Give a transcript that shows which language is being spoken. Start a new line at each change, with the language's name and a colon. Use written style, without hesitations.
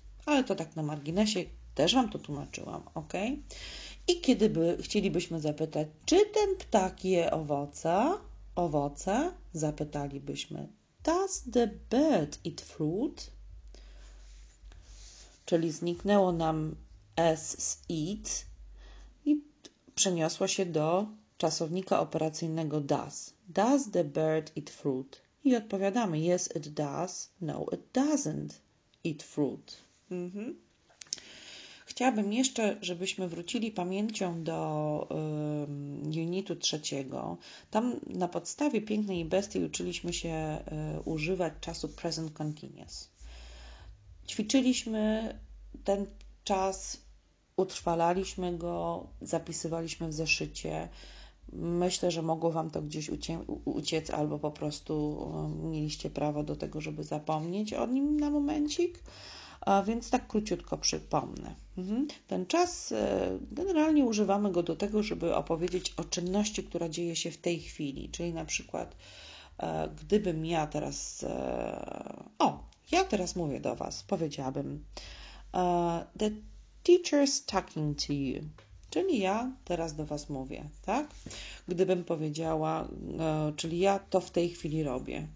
Polish: Ale to tak na marginesie, też Wam to tłumaczyłam, ok? I kiedy chcielibyśmy zapytać, czy ten ptak je owoce, owoce, zapytalibyśmy,
English: does the bird eat fruit?
Polish: Czyli zniknęło nam s z eat i przeniosło się do czasownika operacyjnego does.
English: Does the bird eat fruit?
Polish: I odpowiadamy,
English: yes it does, no it doesn't eat fruit.
Polish: Chciałabym jeszcze, żebyśmy wrócili pamięcią do unitu trzeciego. Tam na podstawie Pięknej i Bestii uczyliśmy się używać czasu present continuous. Ćwiczyliśmy ten czas, utrwalaliśmy go, zapisywaliśmy w zeszycie. Myślę, że mogło Wam to gdzieś uciec albo po prostu mieliście prawo do tego, żeby zapomnieć o nim na momencik. A więc tak króciutko przypomnę. Ten czas generalnie używamy go do tego, żeby opowiedzieć o czynności, która dzieje się w tej chwili. Czyli na przykład, gdybym ja teraz... O, ja teraz mówię do Was, powiedziałabym.
English: The teacher's talking to you.
Polish: Czyli ja teraz do Was mówię, tak? Gdybym powiedziała, czyli ja to w tej chwili robię.